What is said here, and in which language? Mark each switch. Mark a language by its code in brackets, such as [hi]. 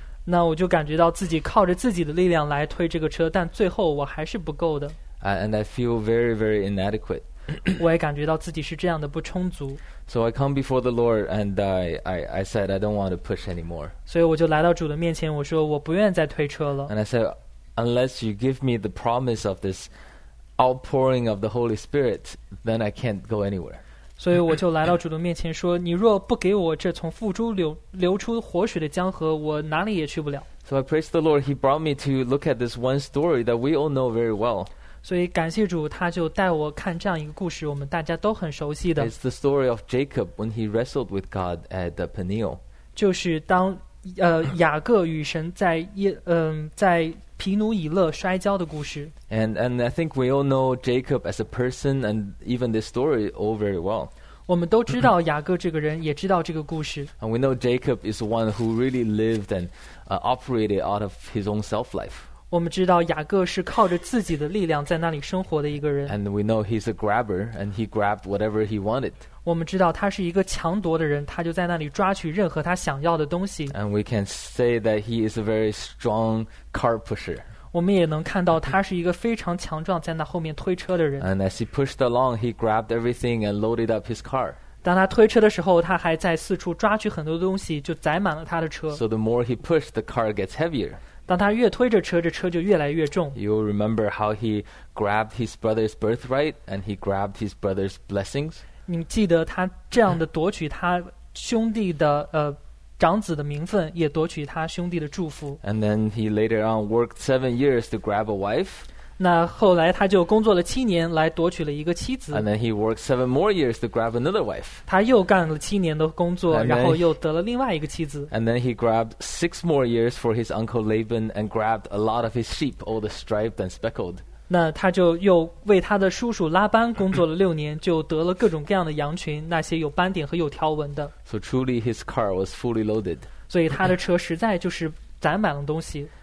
[zh] 那我就感觉到自己靠着自己的力量来推这个车，但最后我还是不够的。 [en] And I feel very, very inadequate. [zh] 我也感觉到自己是这样的不充足。 [en] So I come before the Lord and I said I don't want to push anymore. [zh] 所以我就来到主的面前，我说我不愿再推车了。 [en] And I said, unless you give me the promise of this outpouring of the Holy Spirit, then I can't go anywhere. [zh] 所以我就来到主的面前说，你若不给我这从腹中流出活水的江河，我哪里也去不了。 [en] So I praise the Lord. He brought me to look at this one story that we all know very well. [zh] 所以感谢主，他就带我看这样一个故事，我们大家都很熟悉的。 [en] It's the story of Jacob when he wrestled with God at Peniel. [zh] 就是当雅各与神在在皮努以勒摔跤的故事。 [en] And I think we all know Jacob as a person and even this story all very well. [zh] 我们都知道雅各这个人，也知道这个故事。 [en] And we know Jacob is one who really lived and operated out of his own self-life. [zh] 我们知道雅各是靠着自己的力量在那里生活的一个人。 [en] And we know he's a grabber, and he grabbed whatever he wanted. [zh] 我们知道他是一个强夺的人，他就在那里抓取任何他想要的东西。 [en] And we can say that he is a very strong car pusher. [zh] 我们也能看到他是一个非常强壮在那后面推车的人。 [en] And as he pushed along, he grabbed everything and loaded up his car. [zh] 当他推车的时候，他还在四处抓取很多东西，就载满了他的车。 [en] So the more he pushed, the car gets heavier. [zh] 当他越推着车，这车就越来越重。 [en] You remember how he grabbed his brother's birthright and he grabbed his brother's blessings? [zh] 你记得他这样的夺取他兄弟的长子的名分，也夺取他兄弟的祝福。 [en] And then he later on worked 7 years to grab a wife. [zh] 那后来他就工作了7年来夺取了一个妻子。 [en] And then he worked 7 more years to grab another wife. [zh] 他又干了7年的工作，然后又得了另外一个妻子。 [en] And then he grabbed 6 more years for his uncle Laban and grabbed a lot of his sheep, all the striped and speckled. [zh] 那他就又为他的叔叔拉班工作了6年，就得了各种各样的羊群，那些有斑点和有条纹的。 [en] So truly his car was fully loaded. [zh] 所以他的车实在就是载满了东西。